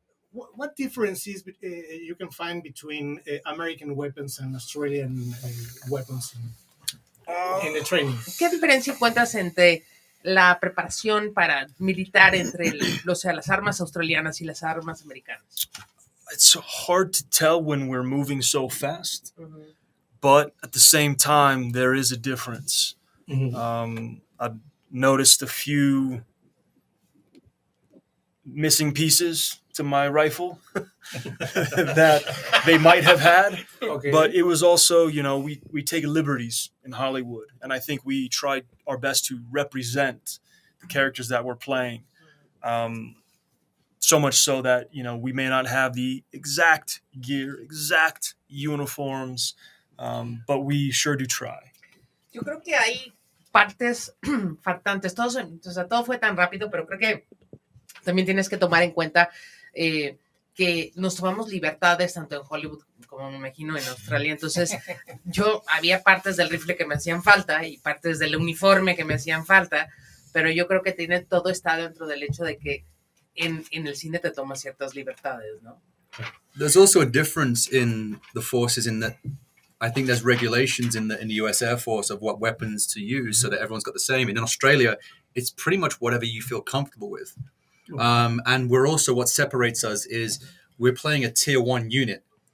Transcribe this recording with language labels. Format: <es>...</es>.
<en>What differences you can find between American weapons and Australian weapons in the training?</en> <es>¿Qué diferencia encuentras entre la preparación para militar entre las armas australianas y las armas americanas?</es> <en>It's hard to tell when we're moving so fast, but at the same time, there is a difference. Mm-hmm. I've noticed a few missing pieces to my rifle that they might have had, but it was also, you know, we take liberties in Hollywood, and I think we tried our best to represent the characters that we're playing, so much so that, you know, we may not have the exact gear, exact uniforms, but we sure do try.</en> <es>Yo creo que hay partes faltantes. Todo fue tan rápido, pero creo que también tienes que tomar en cuenta que nos tomamos libertades tanto en Hollywood como me imagino en Australia. Entonces, yo había partes del rifle que me hacían falta y partes del uniforme que me hacían falta, pero yo creo que tiene todo está dentro del hecho de que en el cine te tomas ciertas libertades, ¿no?</es> <en>There's also a difference in the forces in that I think there's regulations in the US Air Force of what weapons to use so that everyone's got the same. And in Australia, it's pretty much whatever you feel comfortable with. And we're also, what separates us is we're playing a tier one unit.</en>